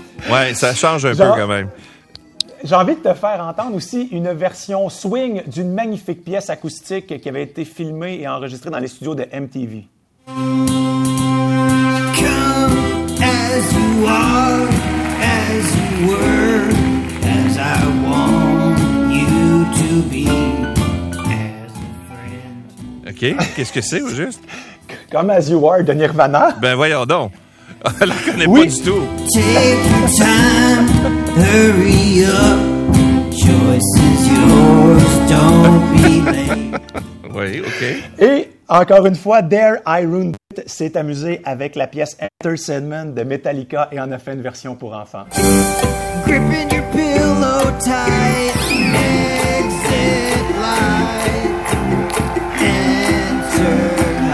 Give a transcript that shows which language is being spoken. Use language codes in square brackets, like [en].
[fr] Ouais, ça change un peu quand même. J'ai envie de te faire entendre aussi une version swing d'une magnifique pièce acoustique qui avait été filmée et enregistrée dans les studios de MTV. [en] Come as you are, as you were, as I want you to be, as a friend. OK, [fr] qu'est-ce que c'est au juste? Come as you are de Nirvana. Ben voyons donc, elle la connaît pas du tout. [en] Take your time, hurry up, choice is yours, don't be late. [fr] Oui, OK. Et encore une fois, There I Ruined It s'est amusé avec la pièce Enter Sandman de Metallica et en a fait une version pour enfants. [en] Gripping your pillow tight, exit light, enter